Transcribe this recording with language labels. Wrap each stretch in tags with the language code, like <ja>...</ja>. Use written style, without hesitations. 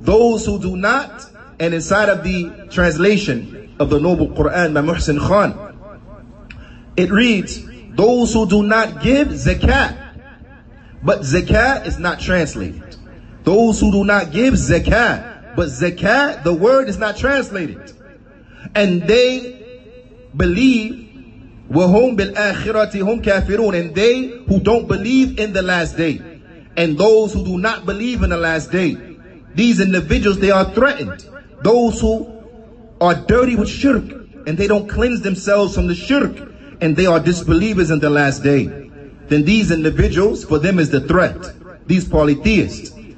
<en>Those who do not, and inside of the translation of the Noble Quran by Muhsin Khan, it reads, those who do not give zakat. But zakat is not translated. Those who do not give zakat. But zakat, the word is not translated. And they believe,</en> <ar>وَهُمْ بِالْآخِرَةِ هُمْ كَافِرُونَ.</ar> <en>And they who don't believe in the last day, and those who do not believe in the last day, these individuals, they are threatened. Those who are dirty with shirk, and they don't cleanse themselves from the shirk, and they are disbelievers in the last day, then these individuals, for them is the threat, these polytheists.</en>